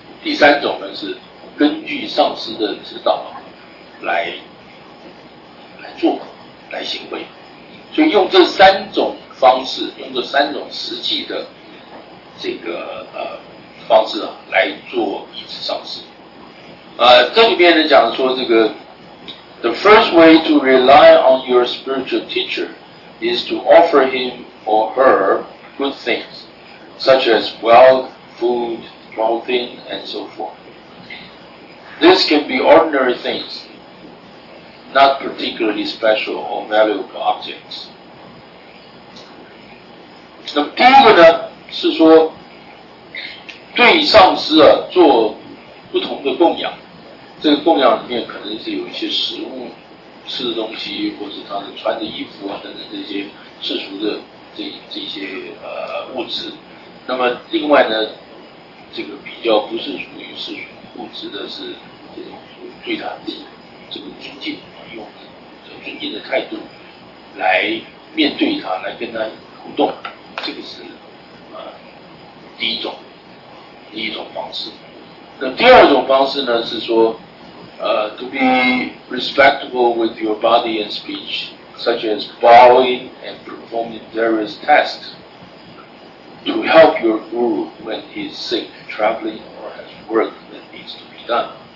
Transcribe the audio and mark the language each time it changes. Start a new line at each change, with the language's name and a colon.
Chinese: 第三种呢是根据上师的指导来做来行为，所以用这三种方式，用这三种实际的这个方式啊来做一次上师。这里面呢讲说这个
English: the first way to rely on your spiritual teacher is to offer him or her good things such as wealth, food,clothing and so forth. This can be ordinary things, not particularly special or valuable objects.
Chinese: 那么第一个呢，是说对上师啊做不同的供养，这个供养里面可能是有一些食物、吃的东西，或是他的穿的衣服啊等等这些世俗的这些物质。那么另外呢，这个比较不是属于世俗物质的，是这种属于对他的这个尊敬，用尊敬的态度来面对他，来跟他互动，这个是第一种方式。那第二种方式呢，是说
English: to be respectful with your body and speech, such as bowing and performing various tasks. To help your guru when he is sick, traveling, or has work that needs to be done.